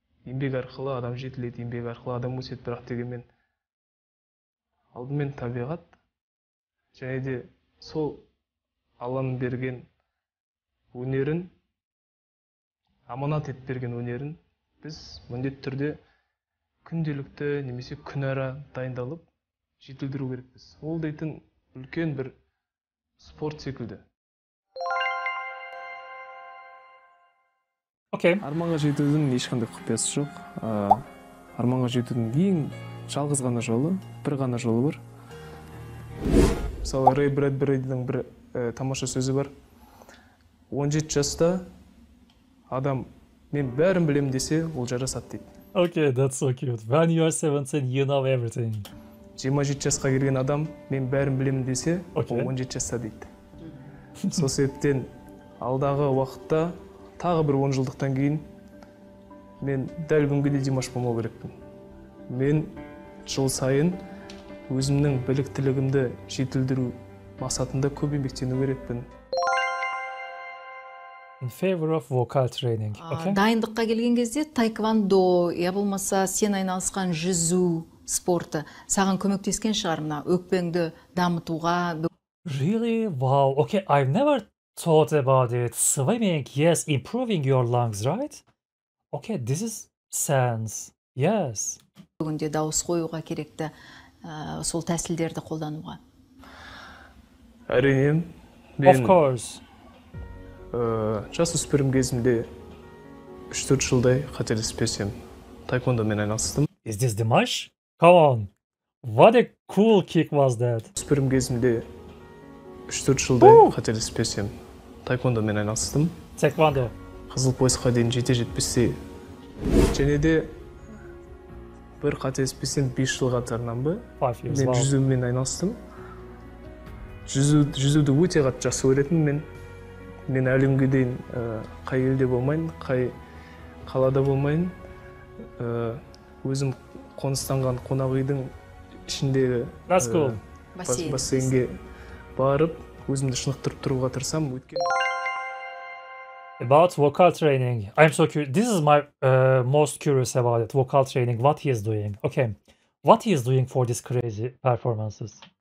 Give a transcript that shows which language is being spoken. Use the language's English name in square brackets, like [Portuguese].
[Kyrgyz] Эмгек аркылуу адам жетилет, эмгек аркылуу адам өсөт, бирок дегенмен алды менен табигат жана да сол Алланын берген өнөрүн, аманат этип берген өнөрүн биз [Kazakh] міндетті түрде күнделікті немесе күнара дайындалып жетілдіру керекпіз. Ол дейтін үлкен бір спорт секілді. [English] Okay. [Kyrgyz] Арманга жетүүдүн эч кандай купясы жок. Арманга жетүүдүн эң жалгыз гана жолу, бир гана жолу бар. Мисалы, Рэй Брэдбэридин бир тамаша сөзү бар. [Kazakh] 17 жаста адам мен бәрін білем десе, ол жарасат дейт. [English] Okay, that's so cute. When you are 17, you know everything. [Kazakh] 27 жасқа келген адам мен бәрін білем десе, ол 17 жаста дейт. Сол себептен алдағы уақытта тағы бір 10 жылдықтан кейін мен дәл бүгінгідей Димаш болмау керекпін. Мен жыл сайын өзімнің біліктілігімді жетілдіру мақсатында көп еңбектену керекпін. [English] In favor of vocal training. Okay. [Kazakh] Дайындыққа келген кезде тайквандо, я болмаса сен айналысқан жүзу спорты саған көмектескен шығар, мына өкпеңді дамытуға. [English] Really? Wow. Okay, I've never thought about it. Swimming, yes, improving your lungs, right? Okay, this is sense. Yes. [Kazakh] Бүгінде дауыс қоюға керекті сол тәсілдерді қолдануға. Әрине. [English] Of course. [Kazakh] Жас өспірім кезімде 3-4 жылдай қателеспесем тайквондомен айналыстым. [English] Is this Dimash? Come on. What a cool kick was that? [Kazakh] Өспірім кезімде 3-4 жылдай қателеспесем тайквондомен айналыстым. Тайквондо. Қызыл поясқа дейін жете-жетпесе. Және де бір қателеспесем 5 жыл қатарынан ба? [English] 5 years. [Kazakh] Мен жүзумен айналыстым. Жүзуді өте қатты жақсы көретінмін мен. Мен әлемге дейін қай елде болмайын, қай қалада болмайын. Өзім қоныстанған қонақ үйдің ішіндегі бассейнге барып, өзімді шынықтырып тұруға тырысамын. [English] About vocal training. I'm so curious. This is my most curious about it. Vocal training. What he is doing. Okay. What he is doing for these crazy performances?